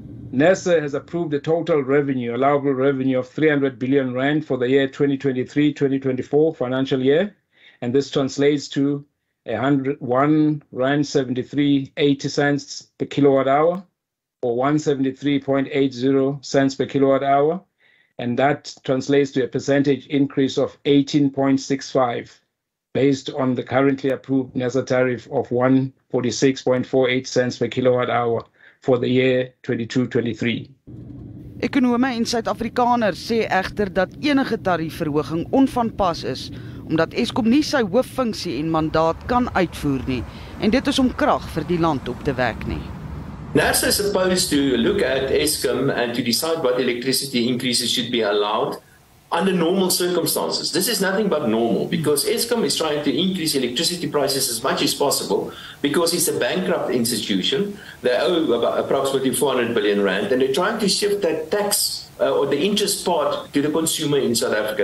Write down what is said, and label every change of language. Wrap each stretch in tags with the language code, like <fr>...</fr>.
<en>NERSA has approved the total revenue, allowable revenue of 300 billion rand for the year 2023-2024 financial year, and this translates to 101.73 rand per kilowatt hour, or 173.80 cents per kilowatt hour, and that translates to a percentage increase of 18.65%. Based on the currently approved NERSA tariff of 146.48 cents per kilowatt hour for the year 2022-23.</en> <af>Ekonome en Suid-Afrikaners sê egter dat enige tariefverhoging onvanpas is, omdat Eskom nie sy hooffunksie en mandaat kan uitvoer nie, en dit is om krag vir die land op te wek nie.</af> <en>NERSA is supposed to look at Eskom and to decide what electricity increases should be allowed under normal circumstances. This is nothing but normal because Eskom is trying to increase electricity prices as much as possible because it's a bankrupt institution. They owe about approximately 400 billion rand and they're trying to shift that tax or the interest part to the consumer in South Africa.</en>